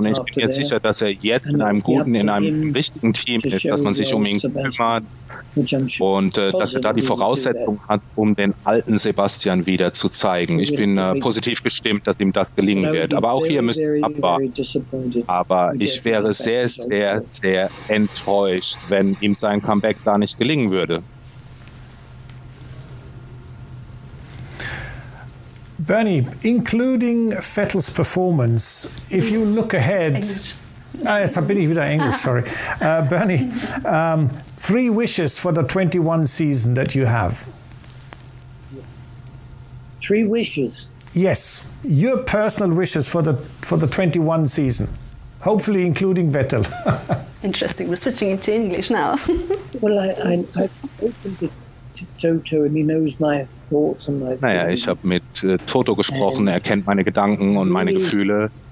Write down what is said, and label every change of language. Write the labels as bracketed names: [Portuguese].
[German] Und ich bin jetzt sicher, dass er jetzt in einem guten, in einem richtigen Team ist, dass man sich um ihn kümmert und dass er da die Voraussetzung hat, um den alten Sebastian wieder zu zeigen. Ich bin positiv gestimmt, dass ihm das gelingen wird. Aber auch hier müssen wir abwarten. Aber ich wäre sehr, sehr, sehr enttäuscht, wenn ihm sein Comeback da nicht gelingen würde. [English] Bernie, including Vettel's performance, if you look ahead... [German] jetzt bin ich wieder Englisch, sorry. [English] Bernie, three wishes for the 21 season that you have. Three wishes? Yes, your personal wishes for the 21 season. Hopefully including Vettel. Interesting, we're switching into English now. Well, I've spoken to Toto and he knows my... [German] Naja, ich habe mit Toto gesprochen, er kennt meine Gedanken und meine Gefühle.